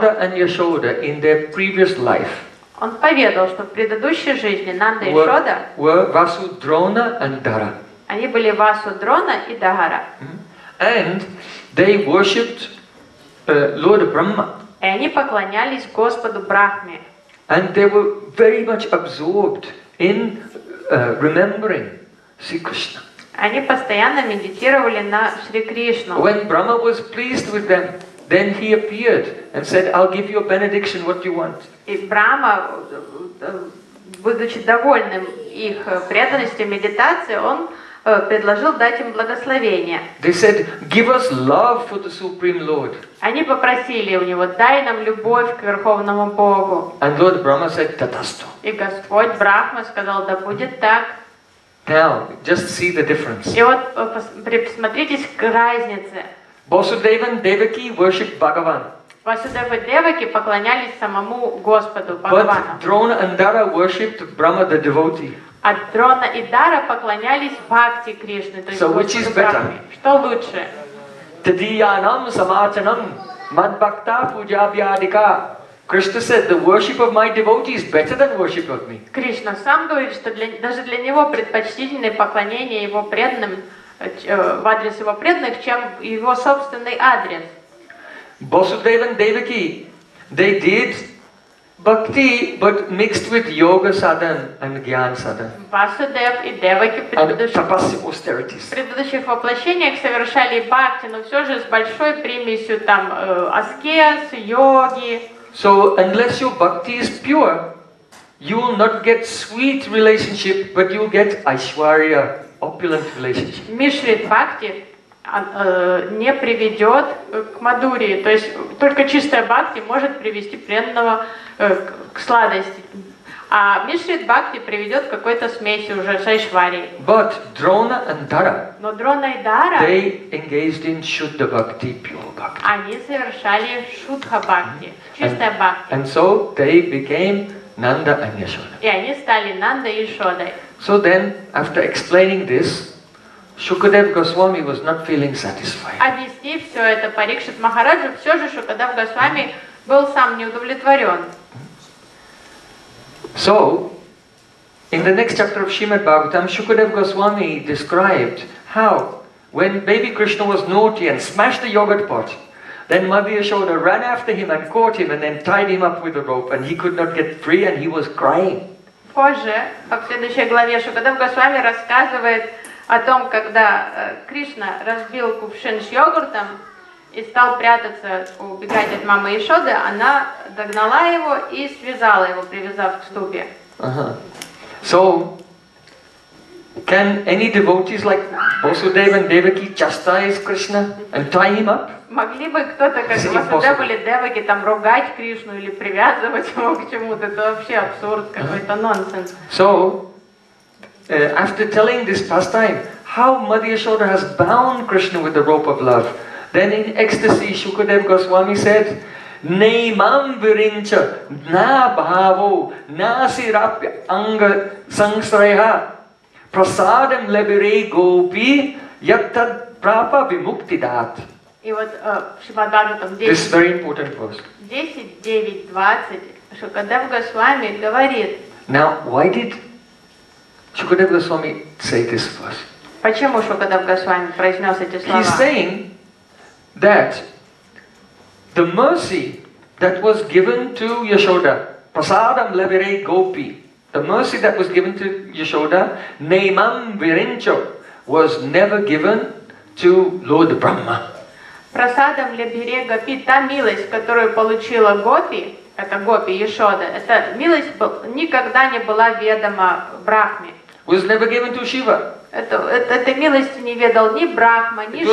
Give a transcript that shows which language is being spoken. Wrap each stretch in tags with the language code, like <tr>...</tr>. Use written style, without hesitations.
<en>Nanda and Yashoda in their previous life.</en> <ru>Он поведал, что в предыдущей жизни Нанда и Шода Васу Дрона и Дара. Они были Васу Дрона и Дагара.</ru> <en>And they worshipped Lord Brahma.</en> <ru>И они поклонялись Господу Брахме.</ru> <en>And they were very much absorbed in remembering Sri Krishna.</en> <ru>Они постоянно медитировали на Шри Кришну.</ru> <en>When Brahma was pleased with them, then he appeared and said, "I'll give you a benediction. What do you want?"</en> <ru>И Брама, будучи довольным их преданностью медитации, он предложил дать им благословение.</ru> <en>They said, "Give us love for the Supreme Lord."</en> <ru>Они попросили у него, дай нам любовь к Верховному Богу.</ru> <en>And Lord Brahma said, "Tatastu."</en> <ru>И Господь Брахма сказал, да будет так.</ru> <en>Now, just see the difference.</en> <ru>И вот присмотритесь к разнице.</ru> <en>Vasudev and Devaki worship Bhagavan.</en> <ru>Vasudev and Devaki поклонялись самому Господу Бхагавану.</ru> <en>But Drona and Dara worshipped Brahma the devotee.</en> <ru>А Дрона и Дара поклонялись Бхакти Кришне, то есть</ru> <en>So which is better?</en> <ru>Что лучше?</ru> <sa>Tadiyanam samachanam mad bhakta pujabhyadika.</sa> <en>Krishna said, "The worship of my devotee is better than worship of me."</en> <ru>Кришна сам говорит, что даже для него предпочтительнее поклонение его преданным. В адрес его преданных, чем его собственный адрес.</ru> <en>Vasudev and Devaki, they did bhakti, but mixed with yoga sadhana and gyan sadhana.</en> <ru>Vasudev и Devaki в предыдущих воплощениях совершали бхакти, но все же с большой примесью там аскез, йоги.</ru> <en>So unless your bhakti is pure, you will not get sweet relationship, but you will get aishwarya. Opulent relationship.</en> <ru>Мишрит бхакти не приведет к мадурии. То есть только чистая бхакти может привести преданного к сладости. А мишрит бхакти приведет к какой-то смеси уже с айшварией.</ru> <en>But Drona and Dara,</en> <ru>но Дрона и Дара,</ru> <en>they engaged in shuddha bhakti, pure bhakti.</en> <ru>Они совершали шудха бхакти, чистая бхакти.</ru> <en>And so they became Nanda and Yashoda.</en> <ru>И они стали Нанда и Шодой.</ru> <en>So then, after explaining this, Шукадев Госвами was not feeling satisfied.</en> <ru>Объясни все это Парикшит Махараджу, все же Шукадев Госвами был сам неудовлетворен.</ru> <en>So, in the next chapter of Shrimad Bhagavatam, Shukadev Goswami described how, when baby Krishna was naughty and smashed the yogurt pot, then Mother Yashoda ran after him and caught him and then tied him up with a rope and he could not get free and he was crying.</en> <ru>Позже, в следующей главе, Шукадев Госвами рассказывает о том, когда Кришна разбил кувшин с йогуртом и стал прятаться, убегать от мамы Яшоды, она догнала его и связала его, привязав к ступе.</ru> <en>So, can any devotees like Vasudeva and Devaki chastise Krishna and tie him up?</en> <ru>Могли бы кто-то, как Vasudeva или Devaki, там ругать Кришну или привязывать его к чему-то? Это вообще абсурд, какой-то нонсенс.</ru> <en>So, after telling this pastime, how Mother Yashoda has bound Krishna with the rope of love, then in ecstasy, Shukadev Goswami said,</en> <sa>Neimam virincha na bhavo na sirapya anga sangsraya prasadam labire gopi yattad prapa vimuktidat.</sa> <ru>И вот Шримад Бхагаватам 10.9.20 Шукадев Госвами говорит.</ru> <en>Now, why did Shukadev Goswami say this verse?</en> <ru>Почему Шукадев Госвами произнес эти слова?</ru> <en>He's saying that the mercy that was given to Yashoda,</en> <sa>prasadam labire gopi,</sa> <en>the mercy that was given to Yashoda,</en> <sa>neimam virincho,</sa> <en>was never given to Lord Brahma.</en> <sa>Prasadam labire gopi,</sa> <ru>та милость, которую получила гопи, это гопи Яшода, эта милость никогда не была ведома Брахме.</ru> <en>Was never given to Shiva.</en> <ru>Этой милости не ведал ни Брахма, ни Шива.</ru>